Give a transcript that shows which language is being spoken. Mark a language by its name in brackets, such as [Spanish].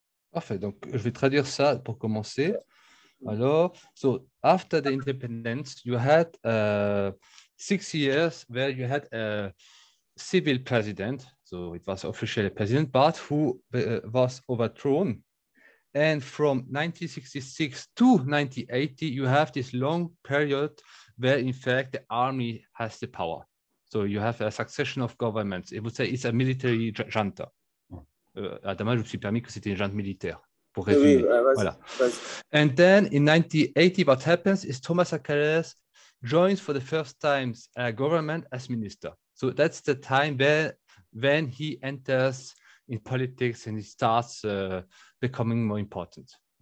[French] Parfait, donc je vais traduire ça pour commencer. [English] Alors, so after the independence, you had 6 years where you had a civil president, so it was officially president, but who was overthrown. And from 1966 to 1980, you have this long period where, in fact, the army has the power. So you have a succession of governments. It would say it's a military junta. [French] Adama, je me suis permis que c'était une junte militaire, pour résumer. Oui, voilà. [English] And then in 1980, what happens is Thomas Sankara joins for the first time a government as minister. So that's the time where, when he enters in politics and it starts becoming more important.